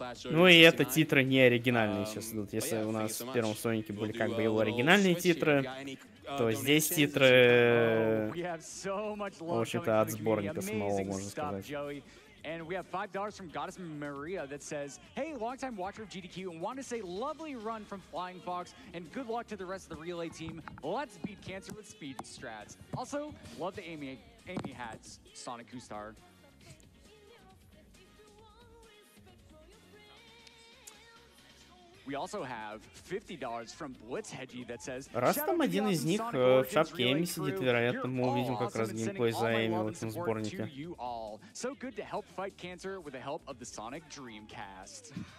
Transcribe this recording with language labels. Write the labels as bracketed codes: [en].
[ru] Ну и это титры не оригинальные сейчас идут. Если у нас в первом Сонике были как бы его оригинальные титры, то здесь титры, в общем-то, от сборника самого, можно сказать. [en] And we have $5 from Goddess Maria that says, "Hey, longtime watcher of GDQ, and want to say lovely run from Flying Fox, and good luck to the rest of the relay team. Let's beat cancer with speed strats. Also, love the Amy hats, Sonic Gustar." We also have $50 from Blitz Hedgie that says, [ru] "Раз там один из них в шапке Эми сидит, вероятно, мы увидим как раз геймплей за Эми в этом сборнике." [en] So good to help fight cancer with the help of the Sonic Dreamcast.